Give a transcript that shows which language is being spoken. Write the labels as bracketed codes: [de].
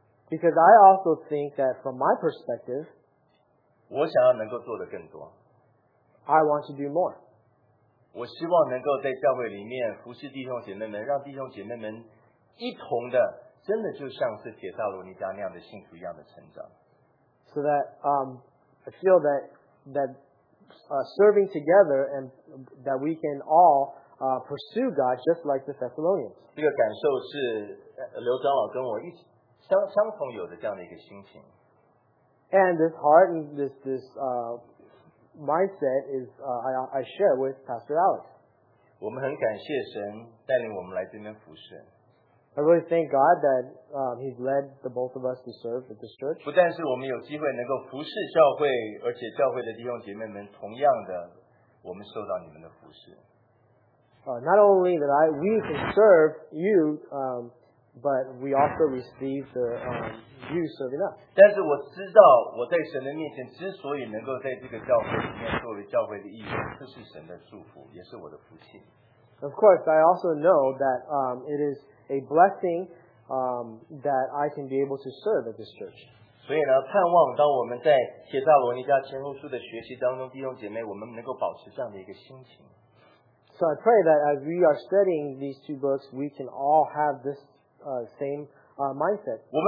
[en] Because I also think that from my perspective, I want to do more. [zh] 我希望能够在教会里面服侍弟兄姐妹们，让弟兄姐妹们一同的， 真的就像是帖撒罗尼迦那样的信徒一样的成长。 [en] So that I feel that serving together and that we can all pursue God just like the Thessalonians. [zh] 这个感受是刘长老跟我一起相同有的这样的一个心情。 [en] And this heart and this mindset is I share with Pastor Alex. [zh] 我们很感谢神带领我们来这边服侍。 [en] I really thank God that He's led the both of us to serve at this church. [zh] 不但是我们有机会能够服侍教会, 而且教会的弟兄姐妹们同样的, 我们受到你们的服侍。 [en] Not only that we can serve you But we also receive the view serving up. [zh] 但是我知道我在神的面前之所以能够在这个教会里面作为教会的义务，这是神的祝福，也是我的福气。 [en] Of course, I also know that it is a blessing that I can be able to serve at this church. [zh] 所以呢，盼望当我们在帖撒罗尼迦前书的学习当中，弟兄姐妹，我们能够保持这样的一个心情。 [en] So I pray that as we are studying these two books, we can all have this same mindset.